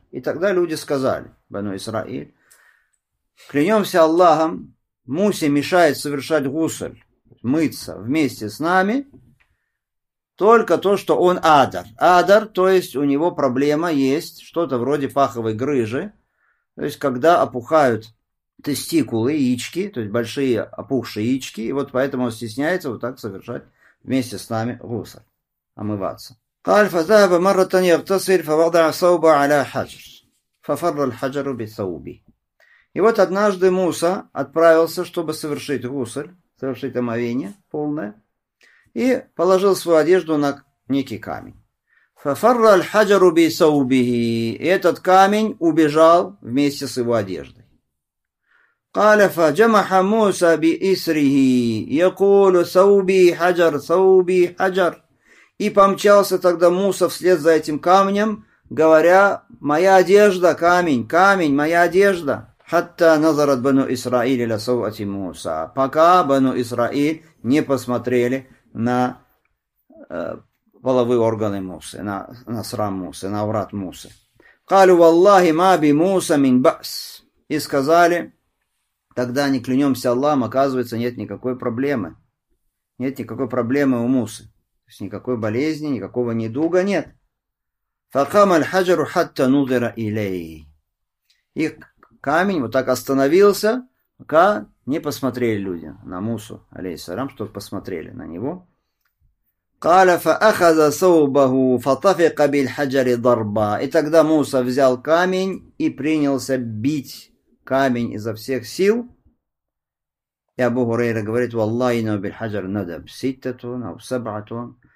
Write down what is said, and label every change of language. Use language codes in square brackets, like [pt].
[ru] И тогда люди сказали, Бану Исраиль, клянемся Аллахом, Мусе мешает совершать гусль, мыться вместе с нами, только то, что он адар. Адар, то есть у него проблема есть, что-то вроде паховой грыжи, то есть когда опухают тестикулы, яички, то есть большие опухшие яички, и вот поэтому он стесняется вот так совершать вместе с нами гусль, омываться. [ar] قال فذهب مرة يغتسل فوضع ثوبه على حجر ففر الحجر بثوبه. [ru] И вот однажды Муса отправился, чтобы совершить гусль, совершить омовение полное, и положил свою одежду на некий камень. [ar] ففر الحجر بثوبه. [ru] И этот камень убежал вместе с его одеждой. [ar] قال فجمع موسى بإسره يقول ثوبي حجر ثوبي حجر. [ru] И помчался тогда Муса вслед за этим камнем, говоря: «Моя одежда, камень, камень, моя одежда». [ar] Хатта назарат бану Исраиль ля саути Муса. [ru] Пока бану Исраиль не посмотрели на половые органы Мусы, на срам Мусы, на аврат Мусы. [ar] Калю валлахи ма би Муса мин бас. [ru] И сказали, тогда не клянемся Аллахом, оказывается, нет никакой проблемы. Нет никакой проблемы у Мусы. То есть никакой болезни, никакого недуга нет. [ar] فقام الحجر حتى نظر إليه. [ru] И камень вот так остановился, пока не посмотрели люди на Мусу, алейхиссалям, чтобы посмотрели на него. [ar] قال فأخذ ثوبه فطفق بالحجر ضربا. [ru] И тогда Муса взял камень и принялся бить камень изо всех сил. И Абу Хурейра говорит: [ar] والله إنه بالحجر ندب ستة أو سبعة.